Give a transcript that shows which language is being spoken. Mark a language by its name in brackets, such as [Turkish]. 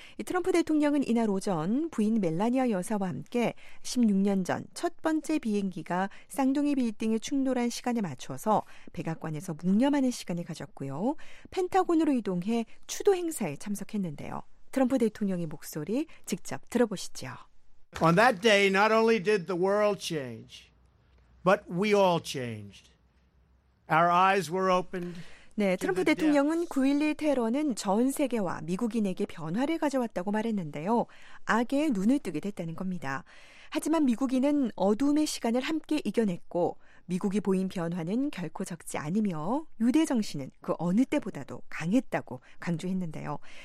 [Korean] 트럼프 대통령은 이날 오전 부인 멜라니아 여사와 함께 16년 전 첫 번째 비행기가 쌍둥이 빌딩에 충돌한 시간에 맞춰서 백악관에서 묵념하는 시간을 가졌고요. 펜타곤으로 이동해 추도 행사에 참석했는데요. 트럼프 대통령의 목소리 직접 들어보시죠. [English] On that day, not only did the world change, but we all changed. Our eyes were opened. [Korean] 네, 트럼프 대통령은 9.11 테러는 전 세계와 미국인에게 변화를 가져왔다고 말했는데요. 악에 눈을 뜨게 됐다는 겁니다. 하지만 미국인은 어둠의 시간을 함께 이겨냈고 미국이 보인 변화는 결코 적지 않으며 유대 정신은 그 어느 때보다도 강했다고 강조했는데요.